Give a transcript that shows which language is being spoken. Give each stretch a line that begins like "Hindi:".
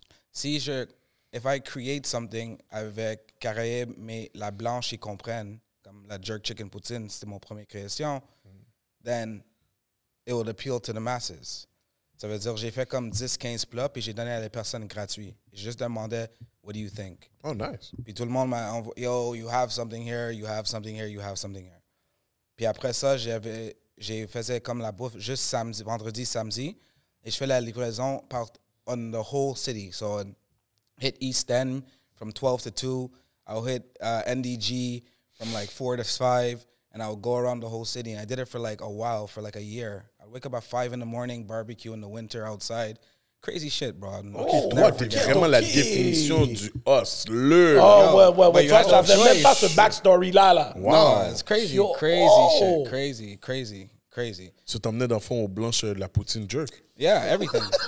French: Si je,
English: if I create something
French: avec caraïbe, mais la blanche, ils comprennent, comme la jerk chicken poutine, c'était mon premier création,
English: then it would appeal to the masses.
French: Ça veut dire, j'ai fait comme 10-15 plats, puis j'ai donné à des personnes gratuits. J'ai juste demandé,
English: what do you think? Oh, nice.
French: Puis tout le monde m'a envoyé,
English: yo, you have something here,
French: you have something here, you have something here. Puis après ça, j'ai faisais comme la bouffe juste samedi, vendredi, samedi, et je fais la livraison par
English: on the whole city. So, I hit East End from 12 to 2. I'll hit NDG from like 4 to 5, and I'll go around the whole city. And I did it for like a while, for like a year. Wake up at 5 in the morning, barbecue in the winter outside. Crazy shit, bro.
French: Oh, okay, toi, t'es vraiment okay. La définition du hustler. Oh, ouais. Toi, je n'avais même pas ce backstory-là.
English: Wow. No, it's crazy. Crazy shit. Crazy. Crazy.
French: Tu t'emmenais dans le fond au blanche de la poutine jerk.
English: Yeah, everything.